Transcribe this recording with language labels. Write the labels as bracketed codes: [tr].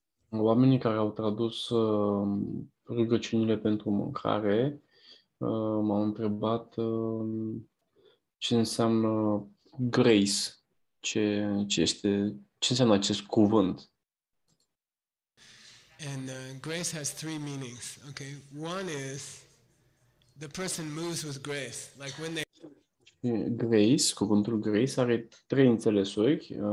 [ro] Oamenii care au tradus rugăciunile pentru mâncare m-au întrebat ce înseamnă grace, ce înseamnă acest cuvânt. [en] And grace has three meanings, okay? One is the person moves with grace, like when they [ro] grace, cuvântul grace are trei înțelesuri.